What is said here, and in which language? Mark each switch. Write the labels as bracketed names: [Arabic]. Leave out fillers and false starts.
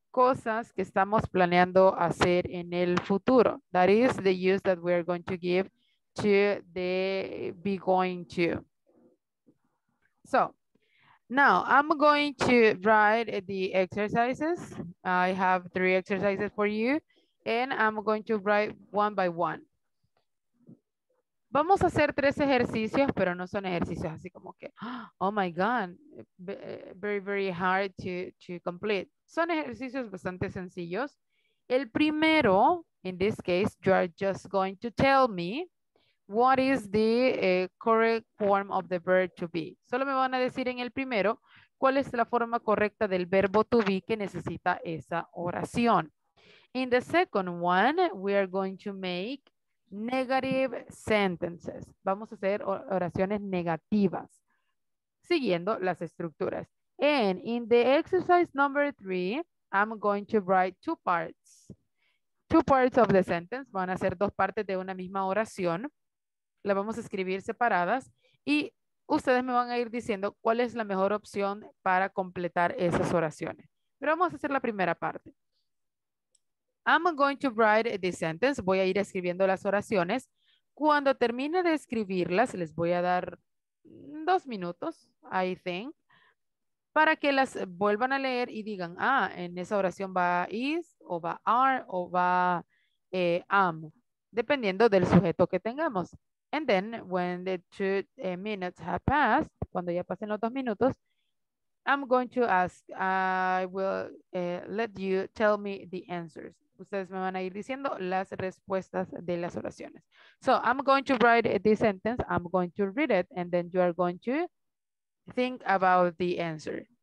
[Spanish] cosas que estamos planeando hacer en el futuro. [English] That is the use that we are going to give to the be going to. So, now I'm going to write the exercises. I have three exercises for you and I'm going to write one by one. [Spanish] Vamos a hacer tres ejercicios, pero no son ejercicios así como que, [English] oh my God, very, very hard to complete. [Spanish] Son ejercicios bastante sencillos. El primero, [English] in this case, you are just going to tell me what is the correct form of the verb to be. [Spanish] Solo me van a decir en el primero cuál es la forma correcta del verbo to be que necesita esa oración. [English] In the second one, we are going to make negative sentences. [Spanish] Vamos a hacer oraciones negativas siguiendo las estructuras. [English] And in the exercise number three, I'm going to write two parts of the sentence. [Spanish] Van a ser dos partes de una misma oración. La vamos a escribir separadas y ustedes me van a ir diciendo cuál es la mejor opción para completar esas oraciones. Pero vamos a hacer la primera parte. [English] I'm going to write the sentence. [Spanish] Voy a ir escribiendo las oraciones. Cuando termine de escribirlas, les voy a dar 2 minutos, [English] I think, [Spanish] para que las vuelvan a leer y digan, ah, en esa oración va is, o va are, o va am, dependiendo del sujeto que tengamos. [English] And then, when the 2 minutes have passed, [Spanish] cuando ya pasen los 2 minutos, [English] I'm going to ask, I will let you tell me the answers. [Spanish] Ustedes me van a ir diciendo las respuestas de las oraciones. [English] So, I'm going to write this sentence, I'm going to read it, and then you are going to think about the answer.